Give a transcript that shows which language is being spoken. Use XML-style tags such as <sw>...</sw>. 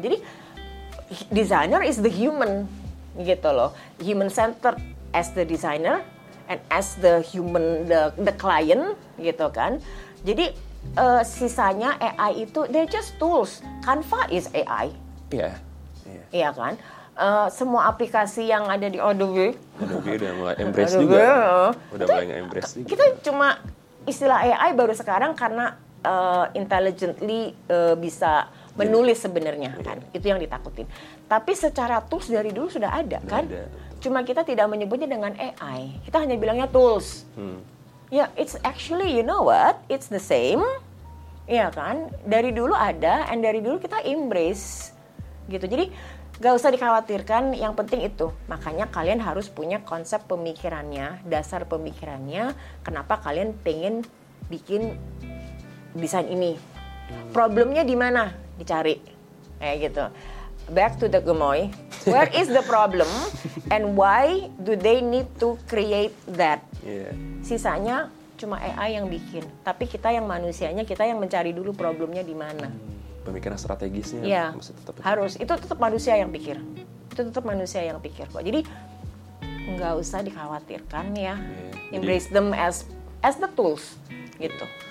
<en>Jadi designer is the human, gitu loh, human centered as the designer and as the human, the client, gitu kan.</en> <id>Jadi sisanya AI itu</id> <en>they're just tools. Canva is AI.</en> <id>Iya. Yeah. Iya kan, semua aplikasi yang ada di Adobe. Adobe udah mulai embrace juga. Udah mulai embrace juga. Kita cuma istilah AI baru sekarang karena intelligently bisa menulis sebenarnya kan, itu yang ditakutin. Tapi secara tools dari dulu sudah ada kan. Cuma kita tidak menyebutnya dengan AI. Kita hanya bilangnya tools.</id> <en>Ya, it's actually you know what, it's the same.</en> <id>Iya kan, dari dulu ada and dari dulu kita embrace. Gitu. Jadi gak usah dikhawatirkan, yang penting itu. Makanya kalian harus punya konsep pemikirannya, dasar pemikirannya, kenapa kalian pengen bikin desain ini. Problemnya di mana? Dicari. Kayak gitu.</id> <en>Back to the gemoy. Where is the problem and why do they need to create that?</en> <id>Sisanya cuma AI yang bikin, tapi kita yang manusianya, kita yang mencari dulu problemnya di mana. Pemikiran strategisnya ya, mesti tetap harus itu tetap manusia yang pikir, itu tetap manusia yang pikir kok. Jadi nggak usah dikhawatirkan ya, yeah.</id> <en>Embrace jadi, them as the tools gitu.</en>